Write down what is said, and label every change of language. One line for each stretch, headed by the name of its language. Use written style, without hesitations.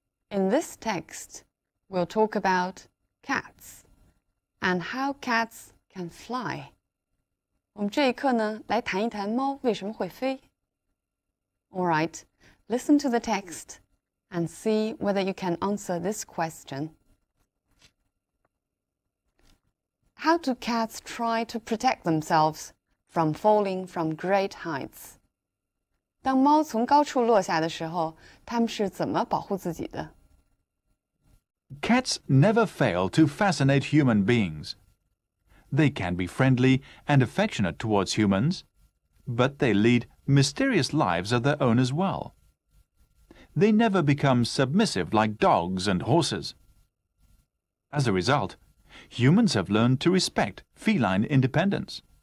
English: In this text, we'll talk about cats and how cats can fly.
Chinese: 我们这一课呢，来谈一谈猫为什么会飞。
English: All right, listen to the text and see whether you can answer this question. How do cats try to protect themselves from falling from great heights?
Chinese: 当猫从高处落下的时候，它们是怎么保护自己的？
English: Cats never fail to fascinate human beings. They can be friendly and affectionate towards humans, but they lead mysterious lives of their own as well. They never become submissive like dogs and horses. As a result,Humans have learned to respect feline independence.